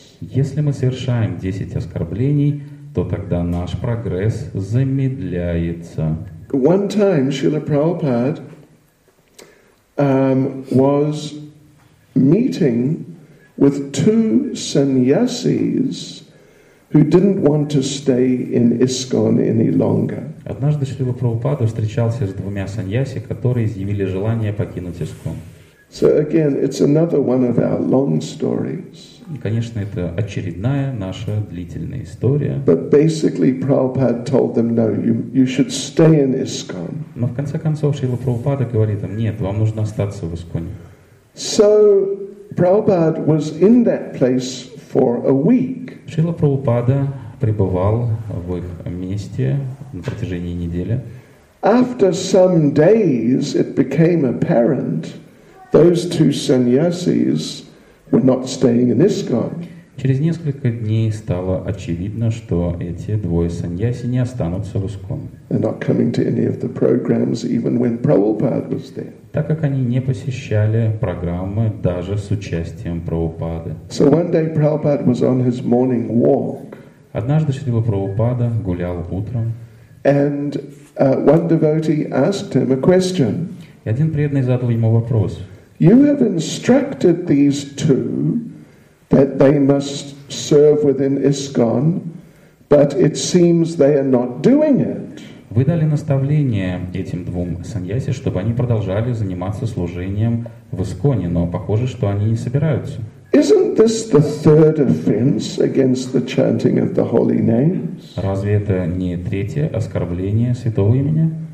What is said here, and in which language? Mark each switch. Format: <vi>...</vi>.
<ru>Если мы совершаем 10 оскорблений, то тогда наш прогресс замедляется.</ru> <en>One time Srila Prabhupada was meeting with two sannyasis who didn't want to stay in ISKCON any longer.</en> <ru>Однажды Шрила Прабхупада встречался с двумя саньяси, которые изъявили желание покинуть ISKCON.</ru> <en>So again, it's another one of our long stories.</en> <ru>И, конечно, это очередная наша длительная история.</ru> <en>But basically, Prabhupada told them, no, you should stay in ISKCON.</en> <ru>Но в конце концов Шрила Прабхупада говорит им, нет, вам нужно остаться в ISKCONе.</ru> <en>So Prabhupada was in that place for a week.</en> <ru>Шрила Прабхупада пребывал в их месте на протяжении недели.</ru> <en>After some days it became apparent those two sannyasis were not staying in ISKCON.</en> <ru>Через несколько дней стало очевидно, что эти двое саньяси не останутся в ISKCON.</ru> <en>They're not coming to any of the programs even when Prabhupada was there.</en> <ru>Так как они не посещали программы даже с участием Прабхупады.</ru> <en>So one day Prabhupada was on his morning walk.</en> <ru>Однажды Шрила Прабхупада гулял утром.</ru> <en>And one devotee asked him a question.</en> <ru>И один преданный задал ему вопрос.</ru> <en>You have instructed these two that they must serve within ISKCON, but it seems they are not doing it.</en> <ru>Вы дали наставление этим двум саньяси, чтобы они продолжали заниматься служением в ИСКОНе, но похоже, что они не собираются.</ru> <en>Isn't this the third offense against the chanting of the holy names?</en> <ru>Разве это не третье оскорбление святого имени?</ru>